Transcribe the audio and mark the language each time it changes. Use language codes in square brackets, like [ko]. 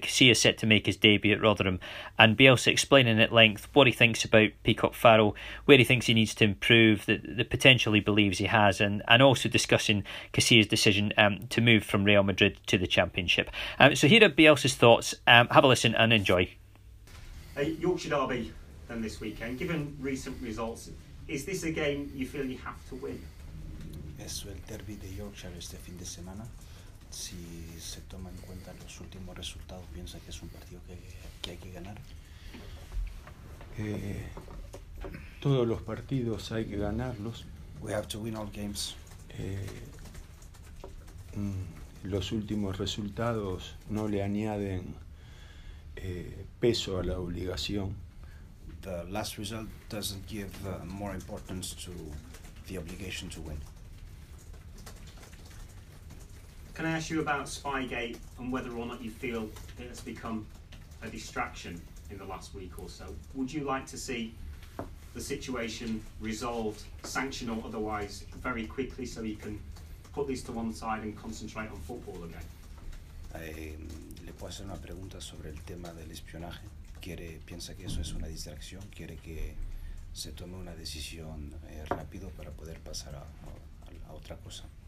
[en] Casilla set to make his debut at Rotherham, and Bielsa explaining at length what he thinks about Peacock-Farrell, where he thinks he needs to improve, the potential he believes he has, and also discussing Casilla's decision to move from Real Madrid to the Championship. So here are Bielsa's thoughts. Have a listen and enjoy. A Yorkshire derby then this weekend. Given recent results, is this a game you feel you have to win? [es] Es el derbi de Yorkshire este fin de semana. Si se toma en cuenta los últimos resultados, piensa que es un partido que hay que ganar. Todos los partidos hay que ganarlos. [en] We have to win all games. [es] Los últimos resultados no le añaden peso a la obligación. [en] The last result doesn't give more importance to the obligation to win. Can I ask you about Spygate and whether or not you feel it has become a distraction in the last week or so? Would you like to see the situation resolved, sanctioned or otherwise, very quickly so you can put this to one side and concentrate on football again? [es] Le puedo hacer una pregunta sobre el tema del espionaje. ¿Quiere, piensa que eso es una distracción? ¿Quiere que se tome una decisión rápido para poder pasar a otra cosa?